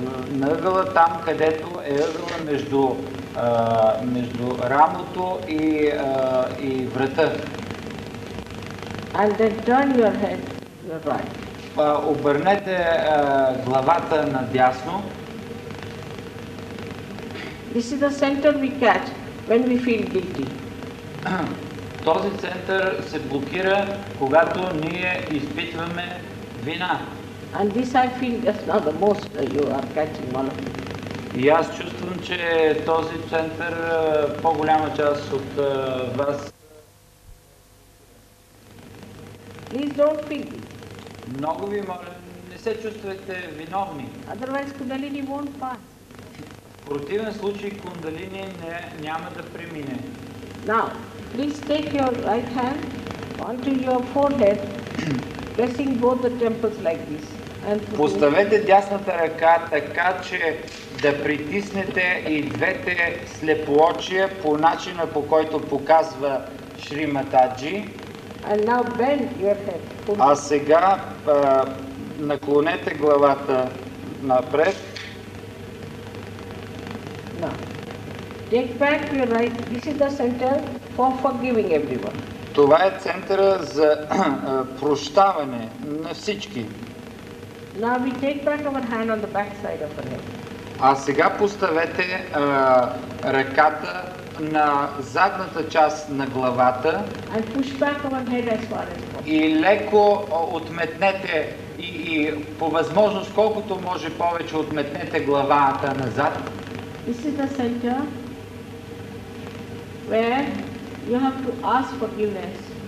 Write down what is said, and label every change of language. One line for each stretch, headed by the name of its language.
Bulgarian: На ъгъла там, където е ъгъла между рамото и врата.
English: And then turn your head to the right.
Bulgarian: Обърнете главата надясно.
English: This is the center we catch when we feel guilty.
Bulgarian: Този център се блокира, когато ние изпитваме вина.
English: And this I feel is not the most you are catching one of them.
Bulgarian: И аз чувствам, че този център по-голяма част от вас.
English: Please don't feel.
Bulgarian: Много ви моля, не се чувствайте виновни.
English: Otherwise Kundalini won't pass.
Bulgarian: В противен случай Кундалини няма да премине.
English: Now, please take your right hand onto your forehead, pressing both the temples like this.
Bulgarian: Поставете дясната ръка така, че да притиснете и двете слепоочия по начина, по който показва Шри Матаджи.
English: And now bend your head.
Bulgarian: А сега наклонете главата напред.
English: Now, take back your right. This is the center for forgiving everyone.
Bulgarian: Това е центъра за прощаване на всички.
English: Now we take back our hand on the back side of our head.
Bulgarian: А сега поставете ръката на задната част на главата.
English: And push back our head as far as possible.
Bulgarian: И леко отметнете и по възможност колкото може повече отметнете главата назад.
English: This is the center where you have to ask forgiveness.